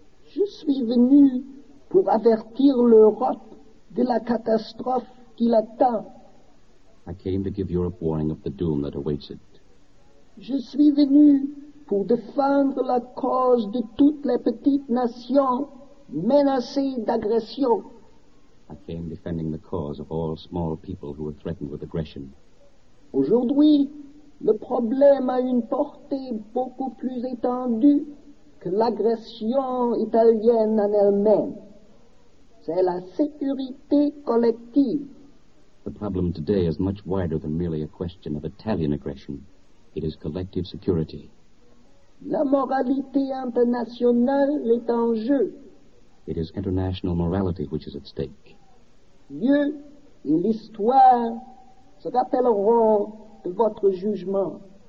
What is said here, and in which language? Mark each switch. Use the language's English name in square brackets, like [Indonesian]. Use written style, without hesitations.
[French] "Je suis venu pour avertir l'Europe de la catastrophe qui l'attend." [English] I came to give Europe warning of the doom that awaits it. [French] "Je suis venu pour défendre la cause de toutes les petites nations menacées d'aggression." [English] I came defending the cause of all small people who were threatened with aggression. [French] "Aujourd'hui, le problème a une portée beaucoup plus étendue que l'agression italienne en elle-même. C'est la sécurité collective." [English] The problem today is much wider than merely a question of Italian aggression. It is collective security. [French] "La moralité internationale est en jeu." [English] It is international morality which is at stake. [French] "Dieu et l'histoire se rappelleront de votre jugement."